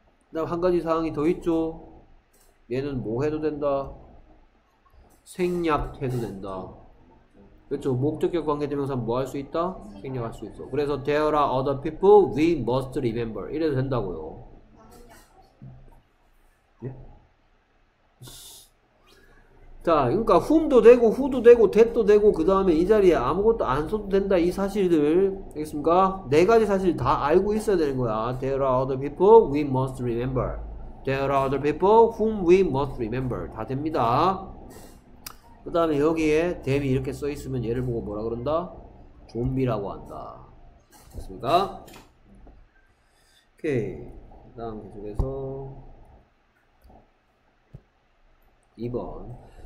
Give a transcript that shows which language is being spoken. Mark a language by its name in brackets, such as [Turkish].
[Korean] 그 다음 한 가지 사항이 더 있죠. 얘는 뭐 해도 된다? 생략해도 된다. 그렇죠. 목적격 관계대명사 뭐 할 수 있다? 생략할 수 있어. 그래서 [English] There are other people we must remember. [Korean] 이래도 된다고요. 예? 자, 그러니까 whom도 되고 who도 되고 that도 되고 그 다음에 이 자리에 아무것도 안 써도 된다. 이 사실들 알겠습니까? 네 가지 사실 다 알고 있어야 되는 거야. [English] There are other people we must remember. There are other people whom we must remember. [Korean] 다 됩니다. 그 다음에 여기에 them이 이렇게 써 있으면 얘를 보고 뭐라 그런다? 좀비라고 한다. 됐습니까? 오케이. 그 다음 계속해서 2번.